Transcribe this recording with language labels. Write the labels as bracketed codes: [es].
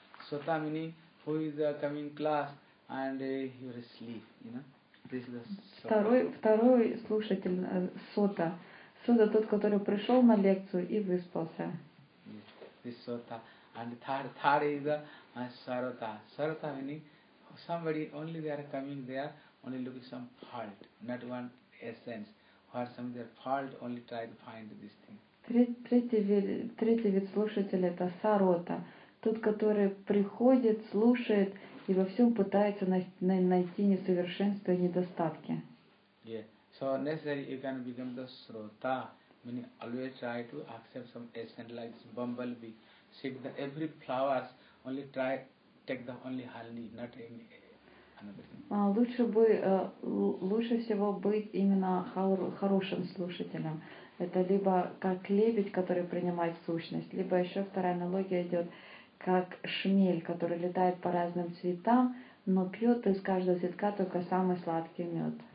[en] Sota meaning who is the coming class and you are asleep. You know, this is the sota. [ru] Второй слушатель сота. Сота тот, который пришел на лекцию и выспался. [en] Yes, this sota. And third is the sarota. Sarota meaning somebody only they are coming there only looking some fault, not one essence. Where some their fault only try to find this thing. [ru] Третий вид слушателя – это сарота. Тот, который приходит, слушает и во всем пытается найти несовершенство и недостатки. [en] Yeah. So necessary you can become the srota. Meaning always try to accept some essence like bumblebee. See the every flowers only try take the only honey, not any another thing. [ru] Лучше всего быть именно хорошим слушателем. Это либо как лебедь, который принимает сущность, либо еще вторая аналогия идет, как шмель, который летает по разным цветам, но пьет из каждого цветка только самый сладкий мед.